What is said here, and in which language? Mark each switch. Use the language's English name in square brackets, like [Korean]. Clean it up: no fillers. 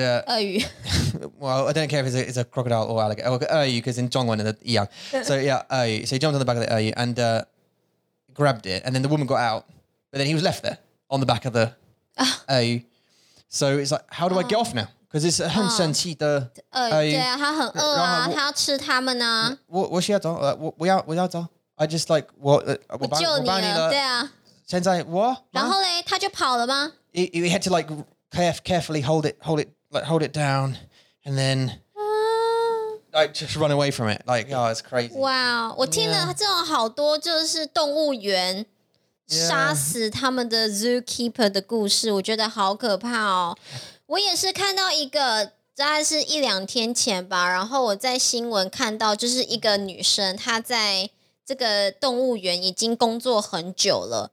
[Chinese] 鳄鱼. [English] Well, I don't care if it's a crocodile or alligator. Oh, 鳄鱼, because in [Chinese] 中文的一样. [English] So yeah, 鳄鱼. So he jumped on the back of the 鳄鱼 and grabbed it, and then the woman got out, but then he was left there on the back of the. So it's like, how do I get off now? Because it's [Chinese] 很生气的鳄鱼，对啊，他很饿啊，他要吃他们啊。我需要走，我要走。 [English] I just like [Chinese] 我救你了，对啊。现在我然后嘞，他就跑了吗 [English] ？He had to like carefully hold it down, and then like just run away from it. Like, oh, it's crazy. [Chinese] Wow, 我听了这种好多就是动物园。杀死他们的 zookeeper 的故事，我觉得好可怕哦。我也是看到一个，大概是一两天前吧，然后我在新闻看到，就是一个女生，她在这个动物园已经工作很久了，